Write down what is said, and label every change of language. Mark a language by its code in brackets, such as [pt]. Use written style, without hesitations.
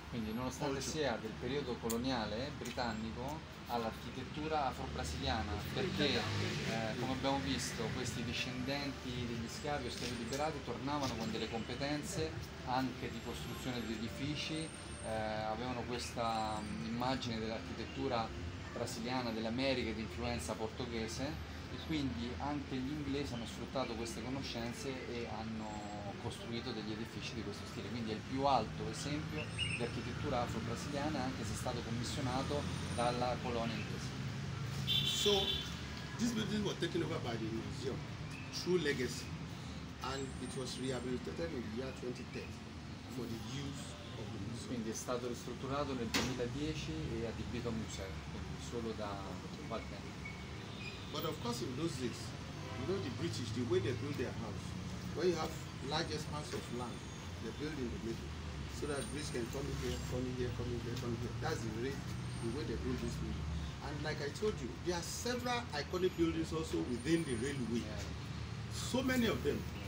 [it] Quindi nonostante sia del periodo coloniale britannico, all'architettura afro-brasiliana, perché come abbiamo visto questi discendenti degli schiavi o schiavi liberati tornavano con delle competenze anche di costruzione di edifici, avevano questa immagine dell'architettura brasiliana, dell'America, di influenza portoghese, e quindi anche gli inglesi hanno sfruttato queste conoscenze e hanno costruito degli edifici di questo stile. Quindi è il più alto esempio di architettura afro-brasiliana, anche se è stato commissionato dalla colonia inglese. [en] So this building was taken over by the museum, true legacy, and it was rehabilitated in the year 2010 for the use of the museum. [it] Quindi è stato ristrutturato nel 2010 e adibito a museo, quindi solo da qualche anno. [en] But of course in those days, you know, the British, the way they build their house, where you have large expanse of land, they build in the middle, so that British can come in here, come in here, come in here, come in here. That's the way they build this building. And like I told you, there are several iconic buildings also within the railway. So many of them.